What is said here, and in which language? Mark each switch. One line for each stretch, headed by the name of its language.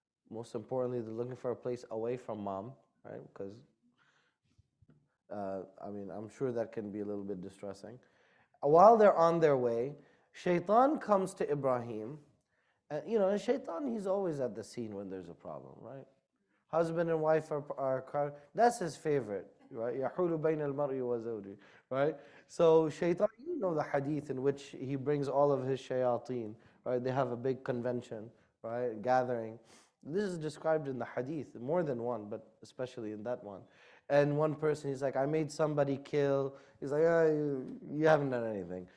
English: Most importantly, they're looking for a place away from mom, right? Because, I mean, I'm sure that can be a little bit distressing. while they're on their way, Shaitan comes to Ibrahim. You know, Shaitan, he's always at the scene when there's a problem, right? Husband and wife are that's his favorite, right?
Arabic: يَحُولُ بَيْنَ الْمَرْءِ وَزَوْجِهِ, right?
English: So Shaitan, you know the hadith in which he brings all of his shayateen, right? They have a big convention, right? Gathering. This is described in the hadith, more than one, but especially in that one. And one person, he's like, I made somebody kill. He's like, oh, you haven't done anything.